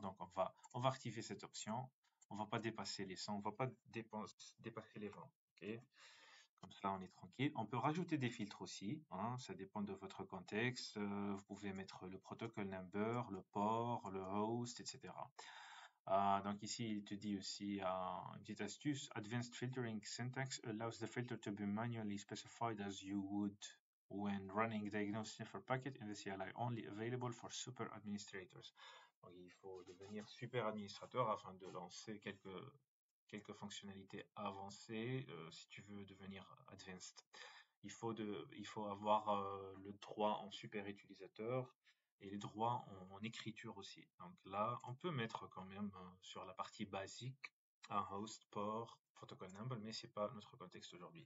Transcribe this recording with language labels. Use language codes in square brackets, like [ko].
[fr] Donc on va activer cette option. On va pas dépasser les 100, on va pas dépasser les 20. Okay? Comme ça, on est tranquille. On peut rajouter des filtres aussi. Hein, ça dépend de votre contexte. Vous pouvez mettre le protocol number, le port, le host, etc. Donc ici, il te dit aussi une petite astuce. [en] Advanced filtering syntax allows the filter to be manually specified as you would when running diagnostic for packet in the CLI, only available for super administrators. [fr] Donc il faut devenir super administrateur afin de lancer quelques fonctionnalités avancées si tu veux devenir advanced. Il faut avoir le droit en super utilisateur. Et les droits en écriture aussi. Donc là, on peut mettre quand même sur la partie basique un host, port, protocol number, mais c'est pas notre contexte aujourd'hui.